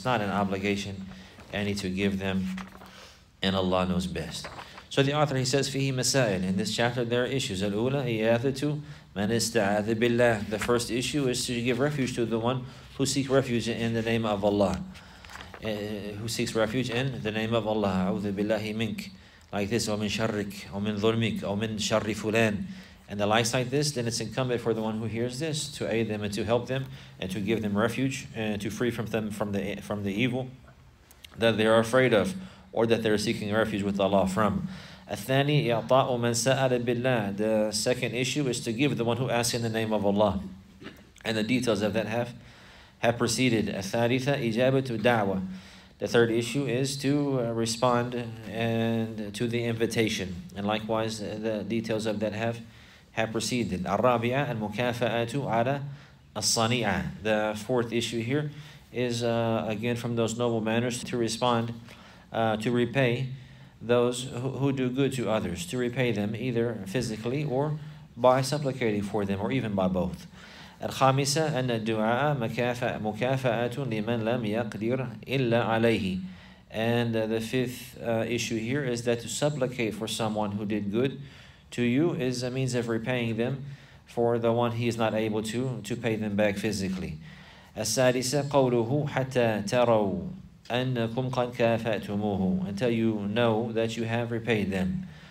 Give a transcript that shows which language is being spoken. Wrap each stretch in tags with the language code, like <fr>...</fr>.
<en>It's not an obligation any to give them, and Allah knows best. So the author, he says,</en> <ar>فِيهِ مَسَائِلٍ.</ar> <en>In this chapter, there are issues.</en> <ar>الْأُولَى إِيَاثَةُ مَنْ إِسْتَعَاذِ بِاللَّهِ.</ar> <en>The first issue is to give refuge to the one who seeks refuge in the name of Allah. Who seeks refuge in the name of Allah.</en> <ar>أَعُوذُ بِاللَّهِ مِنْكِ.</ar> <en>Like this,</en> <ar>وَمِنْ شَرِّكِ وَمِنْ ظُلْمِكِ وَمِنْ شَرِّ فُلَانِ.</ar> <en>And the likes like this, then it's incumbent for the one who hears this to aid them and to help them and to give them refuge and to free from them from the evil that they are afraid of, or that they're seeking refuge with Allah from.</en> <ar>الثاني إعطاء من سأل بالله.</ar> <en>The second issue is to give the one who asks in the name of Allah. And the details of that have proceeded.</en> <ar>الثالثة إجابة الدعوة.</ar> <en>The third issue is to respond and to the invitation. And likewise, the details of that have proceeded.</en> <ar>الرابعة المكافأة على الصنيعة.</ar> <en>The fourth issue here is again from those noble manners to respond, to repay those who do good to others, to repay them either physically or by supplicating for them, or even by both.</en> <ar>الخامسة أن الدعاء مكافأة لمن لم يقدر إلا عليه.</ar> <en>And the fifth issue here is that to supplicate for someone who did good to you is a means of repaying them for the one he is not able to pay them back physically.</en> <ar>السادسة قوله حتى تروا أنكم قد كافأتموه,</ar> <en>until you know that you have repaid them.</en>